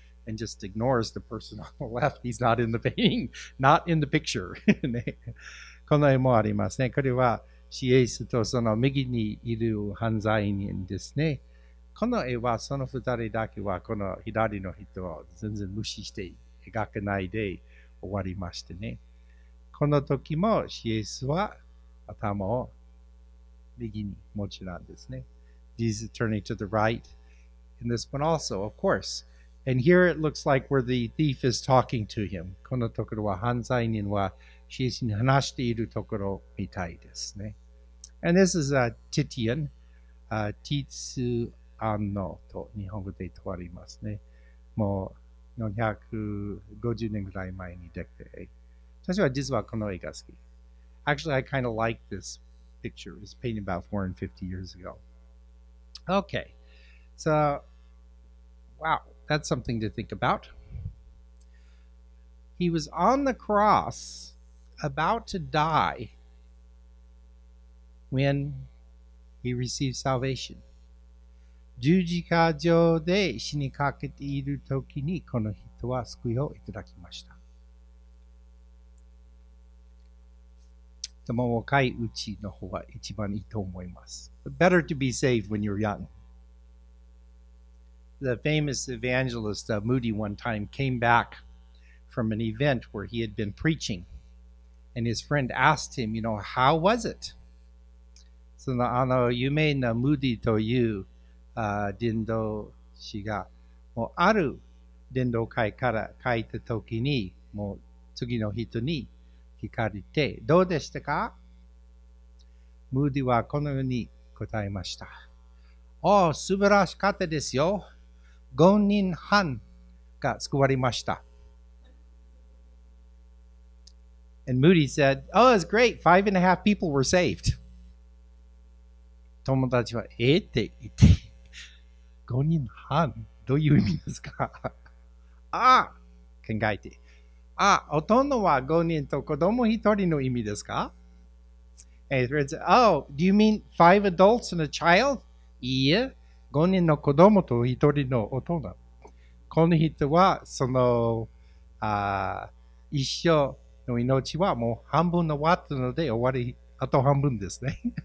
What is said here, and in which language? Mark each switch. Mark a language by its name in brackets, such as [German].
[English] and just ignores the person on the left. He's not in the painting, not in the picture. [Japanese] この絵もありますね。これは主イエスとその右にいる犯罪人ですね。この絵はその二人だけはこの左の人を全然無視して描けないで終わりましてね。この時も主イエスは頭を右に持ちなんですね。 [English] He's turning to the right in this one also, of course. And here it looks like where the thief is talking to him. [Japanese] このところは犯罪人は主イエスに話しているところみたいですね。 [English] And this is a Titian, Titsu Anno [Japanese] と日本語で言われますね。もう450年ぐらい前に出て。私は実はこの絵が好き。 [English] Actually, I kind of like this picture. It was painted about 450 years ago. Okay. So, wow, that's something to think about. He was on the cross, about to die, when he received salvation. [Japanese] 十字架上で死にかけている時にこの人は救いをいただきました。も若いうちの方が一番いいと思います。 [English] But、better to be saved when you're young. The famous evangelist Moody one time came back from an event where he had been preaching. And his friend asked him, you know, how was it? [Japanese] その有名なムーディという伝道師がもうある伝道会から帰った時にもう次の人に聞かれてどうでしたか？ムーディはこのように答えました。おお、素晴らしかったですよ。 5人半が救われました。 [English] And Moody said, oh, it was great. 5.5 people were saved. [Japanese] 友達は、えって言って、5人半、どういう意味ですか？ああ、考えて。あ、おとんのは5人と子供1人の意味ですか？ [English] And he said, oh, do you mean 5 adults and a child? [Japanese] いいえ、5人の子供と1人の大人。この人は、その、一生の命はもう半分の終わったので終わり、あと半分ですね。